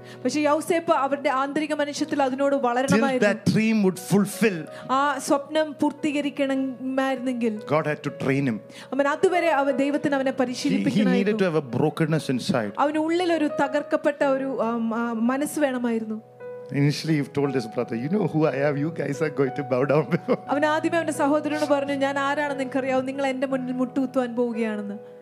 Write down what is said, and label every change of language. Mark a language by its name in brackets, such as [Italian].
[Malayalam] പക്ഷേ യോസേപ്പ് അവരുടെ ആന്തരിക മനുഷ്യത്തിൽ അതിനോട് വളരണമായിരുന്നു. [English] Till that dream would fulfill. [Malayalam] ആ സ്വപ്നം പൂർത്തീകരിക്കണമായിരുന്നെങ്കിൽ. [English] God had to train him. [Malayalam] അവൻ അതുവരെ അവൻ ദൈവത്തിന് അവനെ പരിശീലിപ്പിക്കണമായിരുന്നു. [English] He needed to have a brokenness inside. [Malayalam] അവന് ഉള്ളിൽ ഒരു തകർക്കപ്പെട്ട ഒരു മനസ്സ് വേണമായിരുന്നു. [English] Initially he told his brother, you know who I am, you guys are going to bow down before. [Malayalam] അവൻ ആദ്യമേ അവന്റെ സഹോദരനോട് പറഞ്ഞു, ഞാൻ ആരാണ് നിങ്ങൾക്ക് അറിയാവോ, നിങ്ങൾ എന്റെ മുന്നിൽ മുട്ടുകുത്താൻ പോവുകയാണെന്ന്.